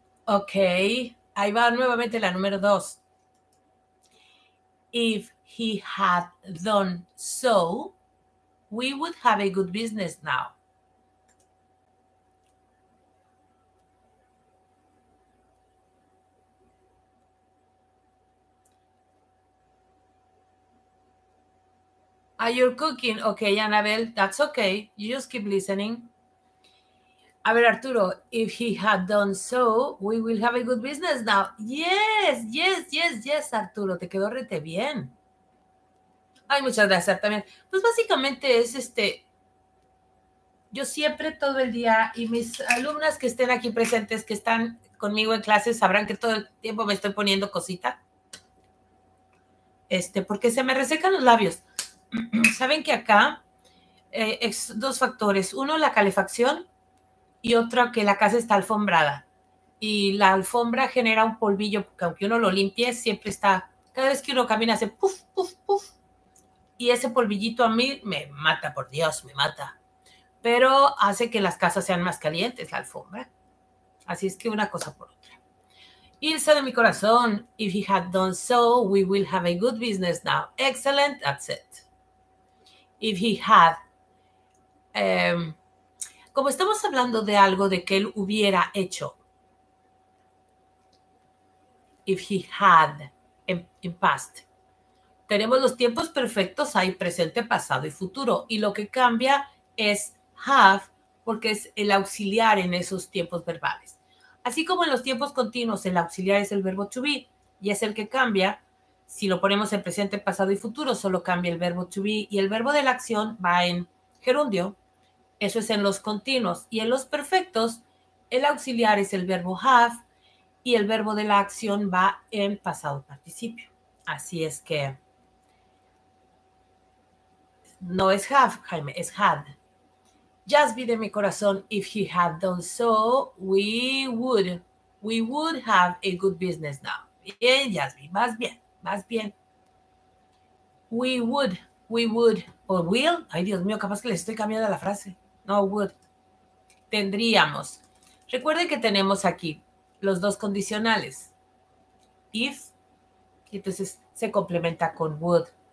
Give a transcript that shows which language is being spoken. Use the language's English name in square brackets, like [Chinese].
[Spanish] Ok, ahí va nuevamente la número dos. [English] If he had done so, we would have a good business now. Are you cooking? Ok, Annabelle, that's okay. You just keep listening. [Spanish] A ver, [English] Arturo, if he had done so, we will have a good business now. Yes, yes, yes, yes, [Spanish] Arturo, te quedó rete bien. Ay, muchas gracias también. Pues básicamente es yo siempre todo el día, y mis alumnas que estén aquí presentes, que están conmigo en clases, sabrán que todo el tiempo me estoy poniendo cosita. Porque se me resecan los labios. Saben que acá es dos factores. Uno, la calefacción. Y otra, que la casa está alfombrada. Y la alfombra genera un polvillo, porque aunque uno lo limpie, siempre está... Cada vez que uno camina, hace puf, puf, puf. Y ese polvillito a mí me mata, por Dios, me mata. Pero hace que las casas sean más calientes, la alfombra. Así es que una cosa por otra. [English] Ilse [Spanish] de mi corazón, [English] if he had done so, we will have a good business now. Excellent, that's it. If he had... [Spanish] Como estamos hablando de algo de que él hubiera hecho. [English] If he had in past. [Spanish] Tenemos los tiempos perfectos ahí, presente, pasado y futuro. Y lo que cambia es have, porque es el auxiliar en esos tiempos verbales. Así como en los tiempos continuos, el auxiliar es el verbo to be y es el que cambia. Si lo ponemos en presente, pasado y futuro, solo cambia el verbo to be y el verbo de la acción va en gerundio. Eso es en los continuos. Y en los perfectos, el auxiliar es el verbo have y el verbo de la acción va en pasado participio. Así es que no es have, Jaime, es had. [English] Just be [Spanish] de mi corazón, [English] if he had done so, we would have a good business now. [Spanish] Bien, just be, más bien, más bien. [English] We would, or will. [Spanish] Ay, Dios mío, capaz que les estoy cambiando la frase. No would. Tendríamos. Recuerden que tenemos aquí los dos condicionales. If, y entonces se complementa con would.